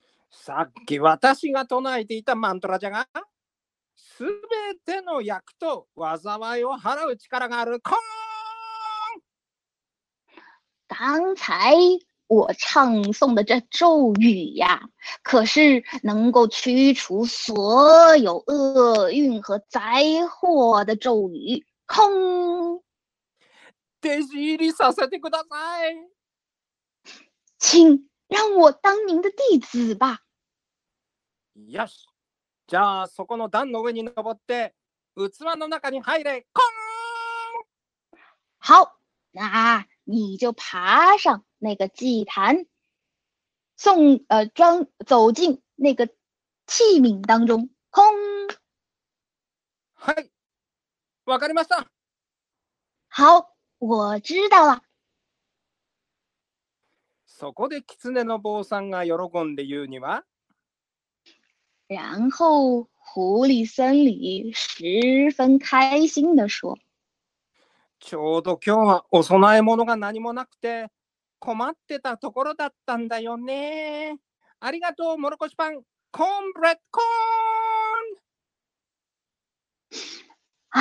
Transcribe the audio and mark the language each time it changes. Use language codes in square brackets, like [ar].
[ja] さっき私が唱えていたマントラじゃが、すべての厄と災いを払う力がある。 [zh] 刚才我唱诵的这咒语呀，可是能够驱除所有厄运和灾祸的咒语。空， [ja] 弟子入りさせてください。 [zh] 请让我当您的弟子吧。 [ja] よし、じゃあそこの段の上に登って器の中に入れ。空。 [zh] 好，那。你就爬上那个祭坛，走进那个器皿当中。空。 [ja] はい。わかりました。 [zh] 好，我知道了。 [ja] そこで狐の坊さんが喜んで言うには。 [zh] 然后狐狸僧侣十分开心地说。 [ja] ちょうど今日はお供え物が何もなくて、困ってたところだったんだよね。ありがとう、もろこしパン。コーンブレッドコーン。